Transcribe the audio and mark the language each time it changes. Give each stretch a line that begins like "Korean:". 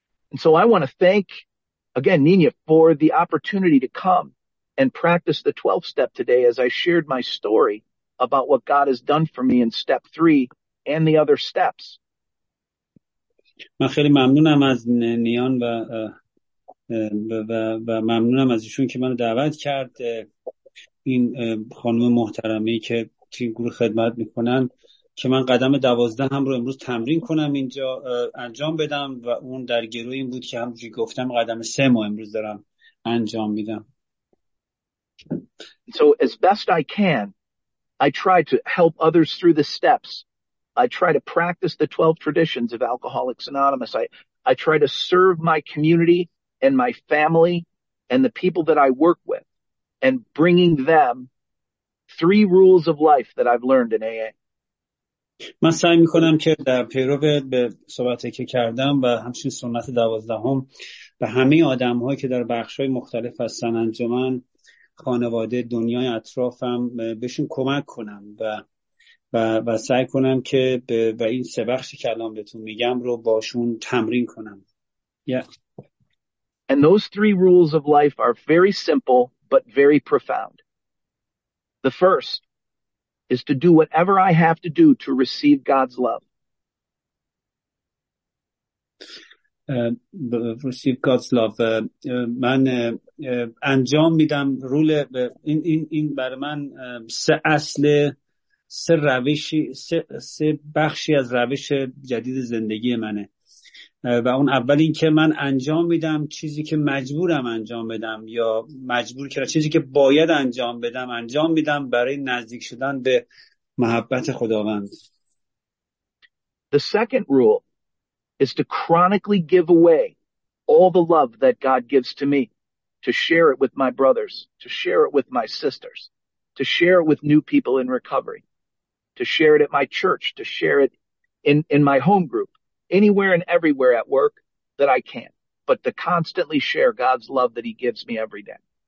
English: And so I want to thank again Nina for the opportunity to come and practice the 12th step today as I shared my story about what God has done for me in step 3 and the other steps.
Persian: من خیلی ممنونم از نیان و و و ممنونم از ایشون که منو دعوت کرد. این خانم محترمی که توی گروه خدمت میکنن که من قدم 12 هم رو امروز تمرین کنم اینجا انجام بدم و اون در گروه این بود که همونجوری گفتم قدم 3 ما امروز دارم انجام میدم.
English: So as best I can, I try to help others through the steps. I try to practice the 12 traditions of Alcoholics Anonymous. I try to serve my community and my family and the people that I work with and bringing them 3 rules of life that I've learned in AA.
Persian: من سعی میکنم که در پیرو به صحبتی که کردم و همچنین سنت 12 به همه آدمهایی که در بخشهای مختلف هستن، انجمن، خانواده، دنیای اطرافم، بهشون کمک کنم و سعی کنم که به این سه بخشی که الان بهتون میگم رو باشون تمرین کنم.
English: Yeah. And those 3 rules of life are very simple but very profound. The first is to do whatever I have to do to receive God's love. Receive God's love.
Persian: من انجام میدم رول این برای من سه اصل، سه روشی، سه بخشی از روش جدید زندگی منه و اون اول این که من انجام میدم چیزی که مجبورم انجام بدم یا مجبور کردم چیزی که باید انجام بدم انجام میدم برای نزدیک شدن به محبت خداوند.
English: The second rule is to chronically give away all the love that God gives to me, to share it with my brothers, to share it with my sisters, to share it with new people in recovery, to share it at my church, to share it in my home group, anywhere and everywhere at work that I can, but to constantly share God's love that he gives me every day.